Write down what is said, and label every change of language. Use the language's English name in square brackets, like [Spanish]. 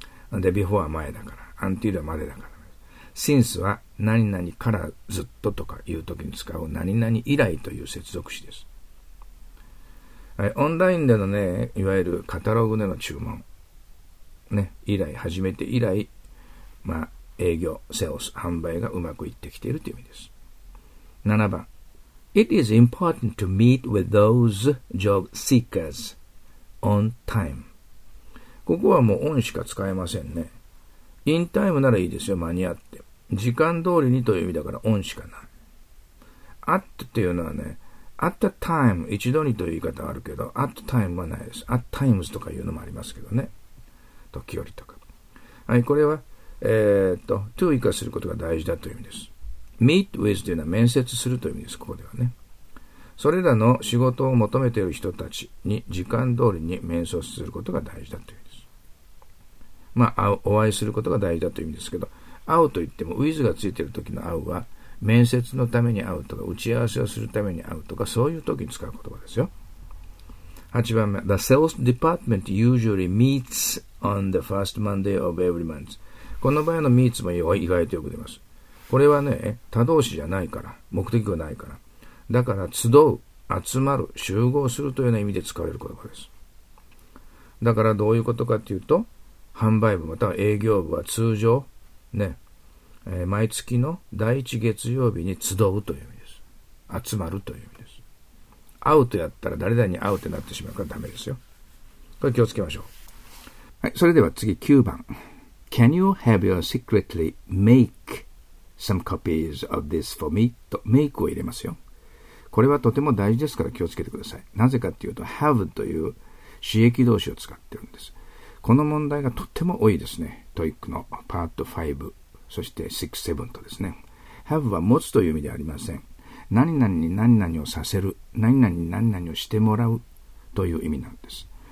[Japanese] で、before は前だから、until はまでだから。since は何々からずっととかいう時に使う何々以来という接続詞です。オンラインでのね、いわゆるカタログでの注文、ね、以来、初めて以来、まあ、営業、セールス、販売がうまくいってきているという意味です。 7番。 [English] It is important to meet with those job seekers on time. [Japanese] ここはもうオンしか使えませんね。in time ならいいですよ、間に合って。時間通りにという意味だからオンしかない。at っていうのはね、at the time、一度にという言い方はあるけど、at time はないです。 at times とかいうのもありますけどね。時折とか。はい、これは、to 以下することが大事だという意味です。 meet with というのは面接するという意味です、ここではね。それらの仕事を求めている人たちに時間通りに面接することが大事だという意味です。まあ、お会いすることが大事だという意味ですけど、会うといっても、with がついている時の会うは、面接のために会うとか、打ち合わせをするために会うとか、そういう時に使う言葉ですよ。 [English] 8番目、The sales department usually meets on the first Monday of every month. [Japanese] この場合の meets も意外とよく出ます。これはね、他動詞じゃないから、目的がないから。だから、集う、集まる、集合するというような意味で使われる言葉です。だから、どういうことかというと、販売部または営業部は通常、ね、毎月の第一月曜日に集うという意味です。集まるという意味です。会うとやったら誰々に会うってなってしまうからダメですよ。これ気をつけましょう。はい、それでは次9番。 [English] Can you have your secretly make some copies of this for me? [Japanese] と、make を入れますよ。これはとても大事ですから気をつけてください。なぜかっていうと、have という詞役動詞を使ってるんです。この問題がとっても多いですね。 TOEIC のパート5。そして6、7とですね。 have は持つという意味ではありません。何々に何々をさせる、何々に何々をしてもらうという意味なんです。